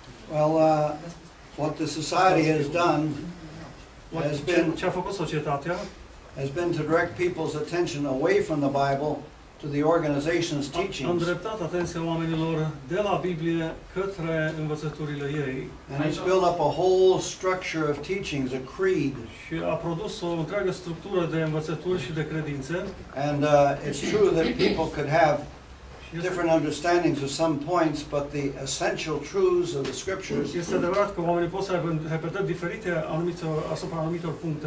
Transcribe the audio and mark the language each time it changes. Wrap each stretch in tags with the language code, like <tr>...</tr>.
<en>Well, what the society has done has been,</en> <ro>ce a făcut societatea?</ro> <en>Has been to direct people's attention away from the Bible to the organization's teachings.</en> <ro>A îndreptat atenția oamenilor de la Biblie către învățăturile ei.</ro> <en>And it's built up a whole structure of teachings, a creed.</en> <ro>Și a produs o întreagă structură de învățături și de credințe.</ro> <en>And it's true that people could have different understandings of some points, but the essential truths of the scriptures.</en> <ro>Este adevărat că oamenii pot să aibă diferite asupra anumitor puncte.</ro>